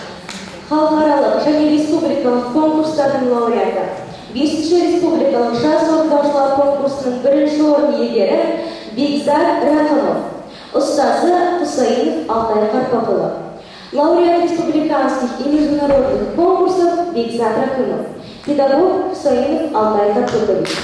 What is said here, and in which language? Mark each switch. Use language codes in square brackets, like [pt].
[kk] республикалық конкурстардың лауреаты. Бесінші республикалық жас орындаушылар конкурсының бірінші орын иегері Бекзат Рахымов, ұстазы Құсайын Алтай Қарпақұлы. [ru] Лауреат республиканских и международных конкурсов Бекзат Рахымов. [kk] Педагог Құсайын Алтай Қарпақұлы.